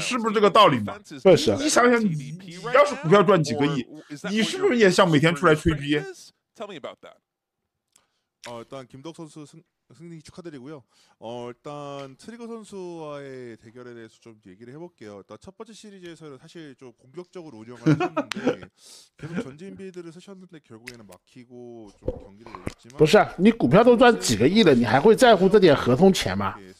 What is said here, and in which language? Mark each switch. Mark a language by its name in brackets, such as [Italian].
[Chinese] 是不是这个道理吗？确实，你想想，你要是股票赚几个亿，你是不是也想每天出来吹逼？ [English] Tell me about that. [Korean] 일단 김덕 선수 승리 축하드리고요. 일단 트리거 선수와의 대결에 대해서 좀 얘기를 해볼게요. 일단 첫 번째 시리즈에서는 사실 좀 공격적으로 운영을 했는데 계속 전진 비드를 쓰셨는데 결국에는 막히고 좀 경기를 잃었지만. [Chinese] 不是，你股票都赚几个亿了，你还会在乎这点合同钱吗？